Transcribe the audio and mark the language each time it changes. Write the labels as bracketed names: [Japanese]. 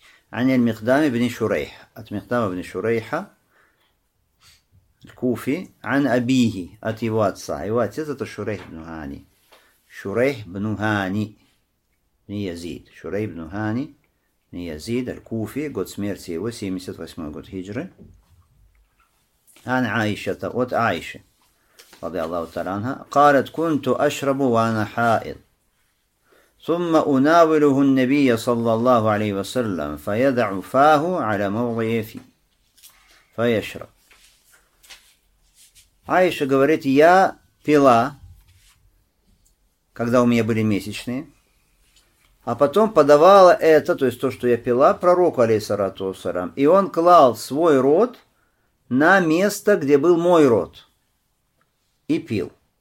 [Russian] Анель Михдами бни Шурейха, от Михдама бни Шурейха, Аль-Куфи, ан Абихи, от его отца. Его отец это Шурейх бну Хани. Шурейх бну Хани, не Язид. Шурейх бну Хани. Язид аль-Куфи, год смерти его, 78 год хиджры. [Arabic] Ан Аишата, [Russian] от Аиши, [Arabic] ради Аллаху Таранха, قالت كنت أشرب وأنا حائض ثم أناوله النبي صلى الله عليه وسلم فيضع فاه على موضعه فيشرب. [Russian] Аиша говорит, я пила, когда у меня были месячные, а потом подавала это, то есть то, что я пила, пророку, алейхиссалату вассалям. И он клал свой рот на место, где был мой рот. И пил.